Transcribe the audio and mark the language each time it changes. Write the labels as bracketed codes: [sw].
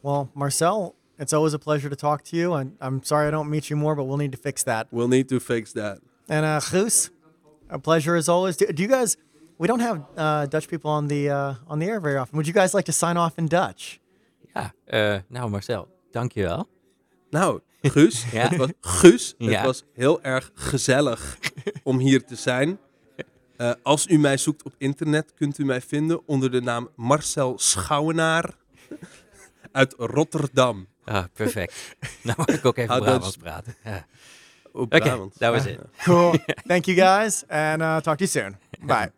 [en] Well, Marcel, it's always a pleasure to talk to you. And I'm sorry I don't meet you more, but we'll need to fix that. We'll need to fix that. And Guus, a pleasure as always. Do you guys, we don't have Dutch people on the air very often. Would you guys like to sign off in Dutch? Yeah. Now, [nl] Marcel, dank je wel. Nou, Guus, yeah. Het was heel erg gezellig om hier te zijn. Als u mij zoekt op internet, kunt u mij vinden onder de naam Marcel Schouwenaar uit Rotterdam. Ah, perfect. Nou mag ik ook even Brabants praten. Oké, dat was het. [en] Cool. Thank you guys. And talk to you soon. Bye.